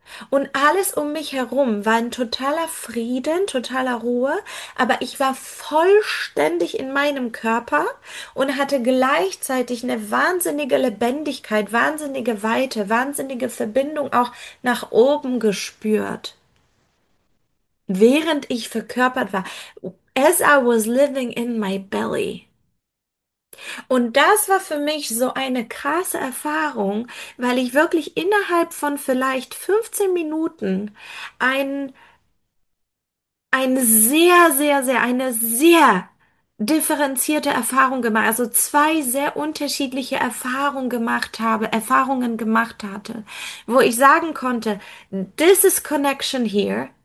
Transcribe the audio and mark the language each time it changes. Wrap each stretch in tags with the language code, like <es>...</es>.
<de>Und alles um mich herum war in totaler Frieden, totaler Ruhe, aber ich war vollständig in meinem Körper und hatte gleichzeitig eine wahnsinnige Lebendigkeit, wahnsinnige Weite, wahnsinnige Verbindung auch nach oben gespürt, während ich verkörpert war.</de> <en>As I was living in my belly.</en> <de>Und das war für mich so eine krasse Erfahrung, weil ich wirklich innerhalb von vielleicht 15 Minuten eine sehr differenzierte Erfahrung gemacht, also zwei sehr unterschiedliche Erfahrungen gemacht hatte, wo ich sagen konnte,</de> <en>this is connection here.</en>